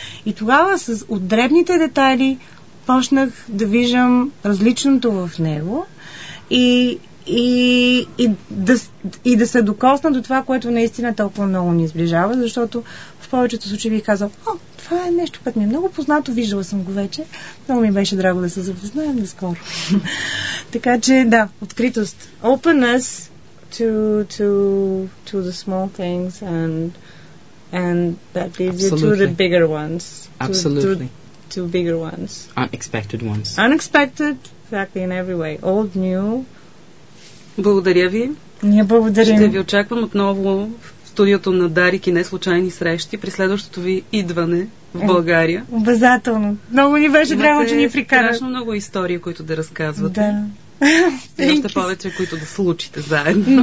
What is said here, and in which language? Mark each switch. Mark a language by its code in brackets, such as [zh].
[bg] И тогава с дребните детайли почнах да виждам различното в него и да се докосна до това, което наистина толкова много ни сближава, защото в повечето случаи бих казал, това е нещо, което ми е много познато, виждала съм го вече, много ми беше драго да се запознаем наскоро. Така че, да, откритост. [en] Openness to the small things and that leads you to the bigger ones. To bigger ones. Unexpected ones. Unexpected, exactly, in every way. Old, new. [bg] Благодаря ви. Ние благодарим. Ще ви очаквам отново в студиото на Дарик и неслучайни срещи при следващото ви идване в България. Обязателно. Много ни беше драго, че ни прикарат. Имате страшно много истории, които да разказвате. Да. И още повече, които да случите заедно.